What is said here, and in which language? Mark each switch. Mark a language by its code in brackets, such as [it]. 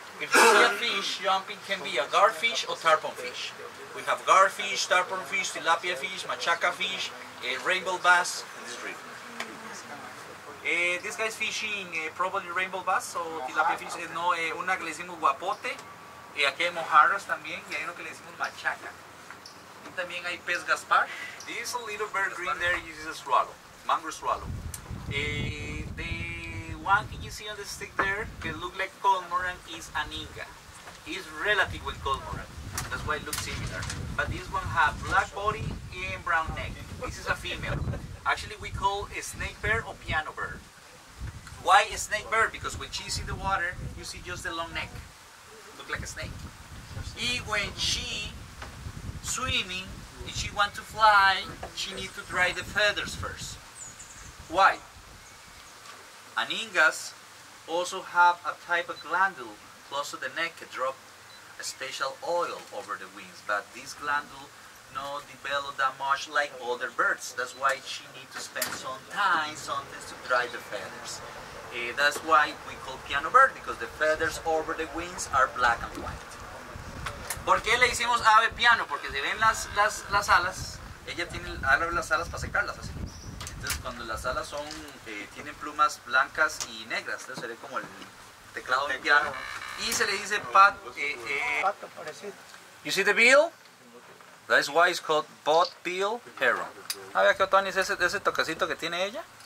[en] If you see a fish jumping, can be a garfish or tarpon fish. We have garfish, tarpon fish, tilapia fish, machaca fish, a rainbow bass in this river. This guy's fishing probably rainbow bass or tilapia fish. [es] No, una que le decimos guapote. Aquí hay mojarras también y hay uno que le decimos machaca. Y también hay pez gaspar. [en] This little bird green there is a swallow, mangrove swallow. The one that you see on the stick there, that look like cormorant, is an inga. It's relative with cormorant. That's why it looks similar. But this one has black body and brown neck. This is a female. Actually, we call a snake bear or piano bird. Why a snake bird? Because when she's in the water, you see just the long neck. Look like a snake. And when she swimming, if she want to fly, she need to dry the feathers first. Why? Aningas also have a type of glandule close to the neck that drop a special oil over the wings, but this glandule not develop that much like other birds. That's why she need to spend some time, sometimes, to dry the feathers. That's why we call piano bird, because the feathers over the wings are black and white. [es] ¿Por qué le hicimos ave piano? Porque si ven las alas, ella tiene abre las alas para secarlas así. Entonces cuando las alas son tienen plumas blancas y negras, entonces sería como el teclado de piano. Y se le dice pato parecido. [en] You see the bill? That is why it's called bot bill heron. [es] Ah, vea que Otani es ese toquecito que tiene ella.